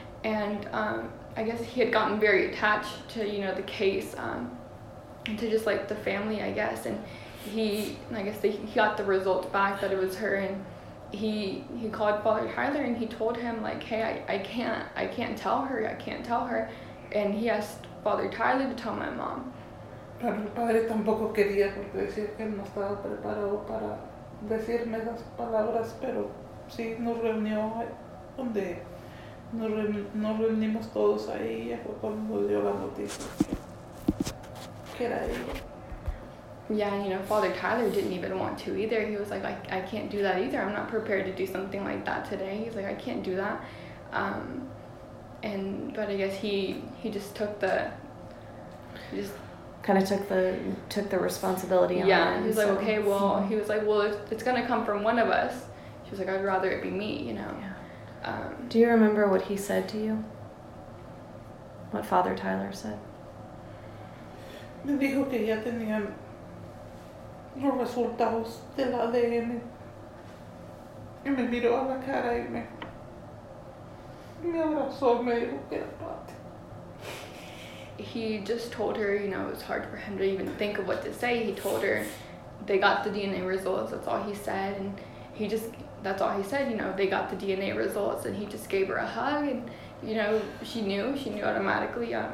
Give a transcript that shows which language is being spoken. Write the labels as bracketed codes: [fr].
[en] And I guess he had gotten very attached to, you know, the case, to just like the family, I guess. And he got the results back that it was her, and he called Father Tyler and he told him like, hey, I can't tell her. And he asked Father Tyler to tell my mom. [es] Pero el padre tampoco quería, porque decía que él no estaba preparado para decirme esas palabras, pero sí, nos reunió donde nos reunimos todos ahí, y fue cuando dio la noticia que era ella. [en] Yeah, you know, Father Tyler didn't even want to either. He was like, I can't do that either. I'm not prepared to do something like that today. He's like, I can't do that. But I guess he just took the... Kind of took the responsibility on. Yeah, he was like, okay, well, he was like, well, it's going to come from one of us. She was like, I'd rather it be me, you know. Yeah. Do you remember what he said to you? What Father Tyler said? [es] Me dijo que ya tenían los resultados del ADN. Y me miró a la cara y me abrazó, me dijo que era padre. [en] He just told her, you know, it was hard for him to even think of what to say. He told her they got the DNA results. That's all he said. And that's all he said, you know, they got the DNA results. And he just gave her a hug. And, you know, she knew automatically.